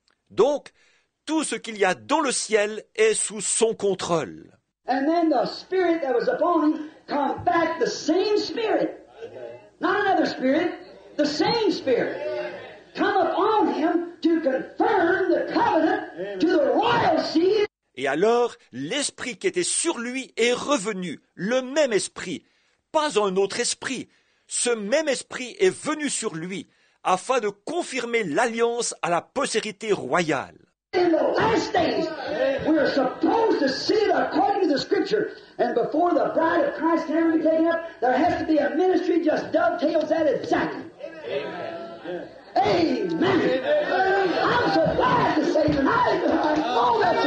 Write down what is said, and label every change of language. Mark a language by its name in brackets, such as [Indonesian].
[French] Donc, tout ce qu'il y a dans le ciel est sous son contrôle. [English] And then the spirit that was upon him come back the same spirit. Not another spirit, the same spirit. Come upon him to confirm the covenant to the royal seed. [French] Et alors, l'esprit qui était sur lui est revenu, le même esprit, pas un autre esprit. Ce même esprit est venu sur lui afin de confirmer l'alliance à la postérité royale. [English] In the last days, we are supposed to see it according to the Scripture. And before the bride of Christ can ever be taken up, there has to be a ministry just dovetails that exactly. Amen. Amen. Amen. Amen. I'm so glad to say tonight that I know that's